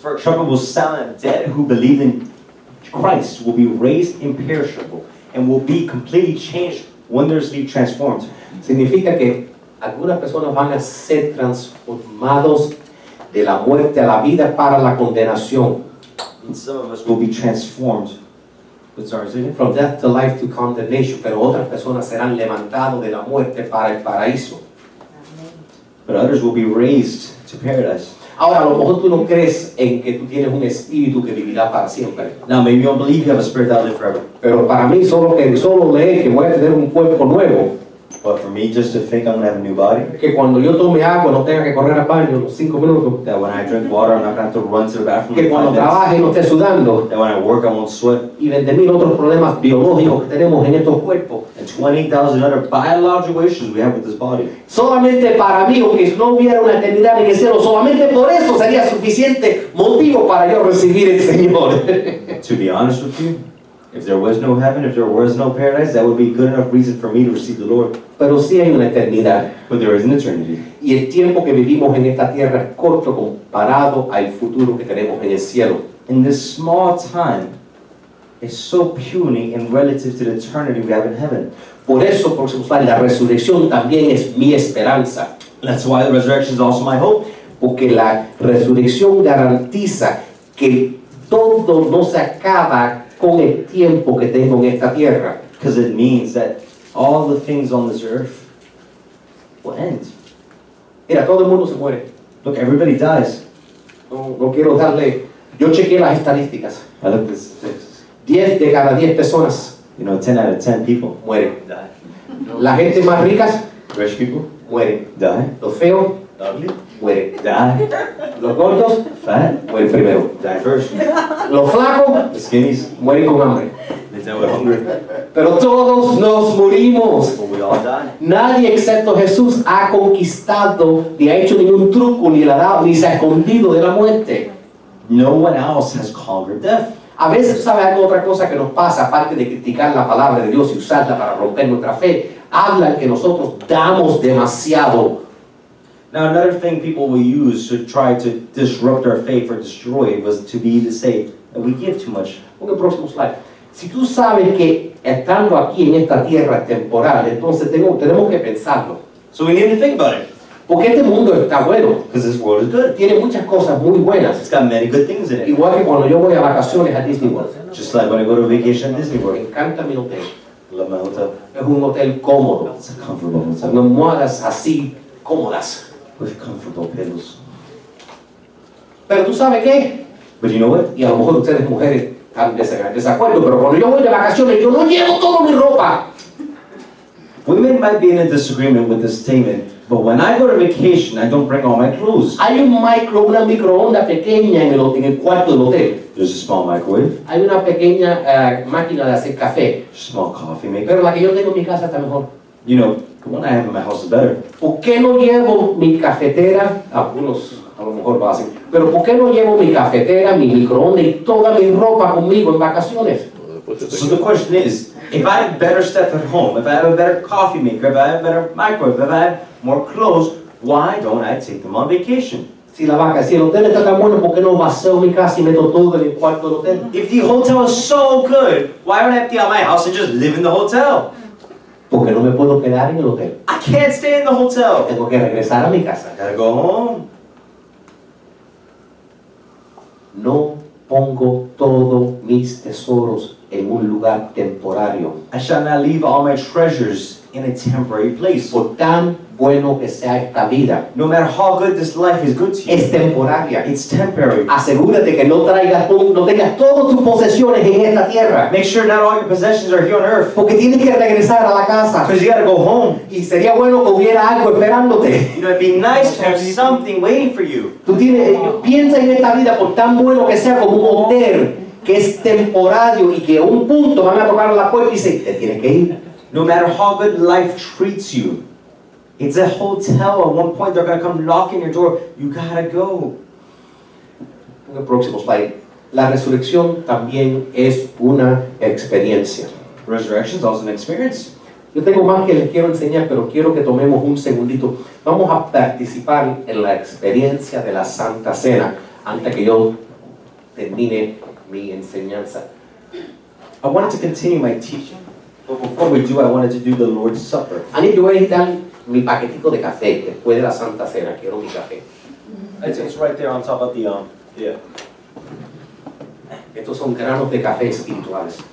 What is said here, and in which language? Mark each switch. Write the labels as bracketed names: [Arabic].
[English] For a trumpet will sound and dead who believe in Christ will be raised imperishable and will be completely changed, wondrously transformed. [Spanish] Significa que algunas personas van a ser transformados de la muerte a la vida para la condenación. [English] And some of us will be transformed. From death to life to condemnation, [Spanish] pero otras personas serán levantados de la muerte para el paraíso. [English] but others will be raised to paradise. [Spanish] Ahora, a lo mejor tú no crees en que tú tienes un espíritu que vivirá para siempre. [English] Now, maybe you don't believe you have a spirit that will live forever. [Spanish] Pero para mí, solo leer que voy a tener un cuerpo nuevo. [English] But for me, just to think I'm going to have a new body. [Spanish] Que cuando yo tome agua, no tenga que correr al baño los 5 minutos. [English] That when I drink water, I'm not going to have to run to the bathroom. [Spanish] Que cuando trabaje, no esté sudando. [English] That when I work, I won't sweat. [Spanish] Y 20,000 otros problemas biológicos que tenemos en estos cuerpos. [English] And 20,000 other biological issues we have with this body. [Spanish] Solamente para mí, aunque no hubiera una eternidad en el cielo, solamente por eso sería suficiente motivo para yo recibir el Señor. [English] To be honest with you, if there was no heaven, if there was no paradise, that would be good enough reason for me to receive the Lord. [Spanish] Pero sí hay una eternidad. [English] But there is an eternity. [Spanish] Y el tiempo que vivimos en esta tierra es corto comparado al futuro que tenemos en el cielo. [English] And this small time is so puny in relative to the eternity we have in heaven. [Spanish] Por eso, por su fin, la resurrección también es mi esperanza. [English] That's why the resurrection is also my hope. [Spanish] Porque la resurrección garantiza que todo no se acaba con el tiempo que tengo en esta tierra. [English] Because it means that all the things on this earth will end. [Spanish] Mira, todo el mundo se muere. [English] Look, everybody dies. [Spanish] No quiero darle. Yo chequeé las estadísticas. [English] I looked at statistics. [Spanish] 10 de cada 10 personas. [English] You know, 10 out of 10 people. [Spanish] Mueren. [English] Die. [Spanish] La gente más rica. [English] Rich people. [Spanish] Mueren. [English] Die. [Spanish] Los feos. [English] Ugly. [Spanish] Mueren. [English] Die. [Spanish] Los gordos. [English] Fat. [Spanish] Mueren primero. [English] Die first. [Spanish] Los flacos. [English] The skinnies. [Spanish] Mueren con hambre. [English] Hungry. [Spanish] Pero todos nos morimos. [English] Well, we all die. [Spanish] Nadie excepto Jesús ha conquistado, ni ha hecho ningún truco, ni la dado, ni se ha escondido de la muerte. [English] No one else has conquered death. [Spanish] A veces, ¿sabes algo? Otra cosa que nos pasa, aparte de criticar la palabra de Dios y usarla para romper nuestra fe, habla que nosotros damos demasiado. [English] Now, another thing people will use to try to disrupt our faith or destroy it was to be to say that we give too much. [Spanish] Okay, próximo slide. Si tú sabes que estando aquí en esta tierra temporal, entonces tenemos que pensarlo. [English] So we need to think about it. [Spanish] Porque este mundo está bueno. [English] Because this world is good. [Spanish] Tiene muchas cosas muy buenas. [English] It's got many good things in it. [Spanish] Igual que cuando yo voy a vacaciones a Disney World. [English] Just like when I go to vacation at Disney World. [Spanish] Me encanta mi hotel. [English] Love my hotel. [Spanish] Es un hotel cómodo. [English] It's a comfortable hotel. [Spanish] Con almohadas así, cómodas. [English] With comfortable pillows. [Spanish] Pero tú sabes qué. [English] But you know what? [Spanish] Y a lo mejor ustedes mujeres desacuerdo, pero cuando yo voy de vacaciones yo no llevo toda mi ropa. [English] Women might be in a disagreement with this statement, but when I go to vacation I don't bring all my clothes. [Spanish] Hay una microonda pequeña en el cuarto del hotel. [English] There's a small microwave. [Spanish] Hay una pequeña máquina de hacer café. [English] Small coffee maker. [Spanish] Pero la que yo tengo en mi casa está mejor. [English] You know, the one I have in my house is better. [Spanish] ¿Por qué no llevo mi cafetera? A lo mejor va así. Pero ¿por qué no llevo mi cafetera, mi microondas y toda mi ropa conmigo en vacaciones? [English] So the question is, if I have better stuff at home, if I have a better coffee maker, if I have a better microwave, if I have more clothes, why don't I take them on vacation? [Spanish] Si la vaca, si el hotel está tan bueno, ¿por qué no vacío mi casa y meto todo en el cuarto del hotel? [English] If the hotel is so good, why don't I empty out my house and just live in the hotel? [Spanish] Porque no me puedo quedar en el hotel. [English] I can't stay in the hotel. [Spanish] Tengo que regresar a mi casa. [English] I gotta go home. [Spanish] No pongo todos mis tesoros en un lugar temporario. [English] I shall not leave all my treasures in a temporary place. [Spanish] Por tan bueno que sea esta vida. [English] No matter how good this life is good to you. [Spanish] Es temporaria. [English] It's temporary. [Spanish] Asegúrate que no tengas todas tus posesiones en esta tierra. [English] Make sure not all your possessions are here on earth. [Spanish] Porque tienes que regresar a la casa. [English] Because you gotta go home. [Spanish] Y sería bueno que hubiera algo esperándote. [English] You know, it'd be nice to have something waiting for you. [Spanish] Tú piensa en esta vida por tan bueno que sea como un hotel que es temporario y que a un punto van a tocar la puerta y dicen, te tienes que ir. [English] No matter how good life treats you, it's a hotel. At one point, they're going to come knocking your door. You gotta go. The próximo slide. [Spanish] La resurrección también es una experiencia. [English] Resurrection is also an experience. [Spanish] Yo tengo más que les quiero enseñar, pero quiero que tomemos un segundito. Vamos a participar en la experiencia de la Santa Cena antes que yo termine mi enseñanza. [English] I wanted to continue my teaching. But before we do, I wanted to do the Lord's Supper. I need to write down [Spanish] mi paquetico de café después de la Santa Cena. Quiero mi café. [English] It's right there on top of the, yeah. [Spanish] Estos son granos de café espirituales.